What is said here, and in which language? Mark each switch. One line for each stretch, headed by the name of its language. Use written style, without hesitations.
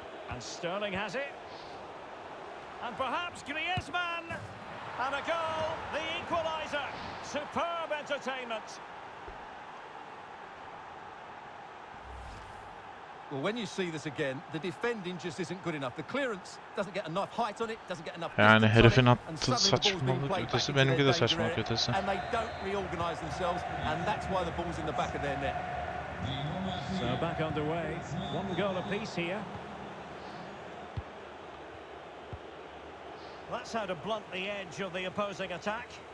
English: And Sterling has it. And perhaps Griezmann. And a goal, the equaliser. Superb entertainment. Well, when you see this again, the defending just isn't good enough. The clearance doesn't get enough height on it, doesn't get enough distance.
Turkish: Yani herifin attığı saçmalık ötesi, benimki de saçmalık ötesi.
English: And they don't reorganize themselves, and that's why the ball's in the back of their net. So back underway, one goal apiece here. That's how to blunt the edge of the opposing attack.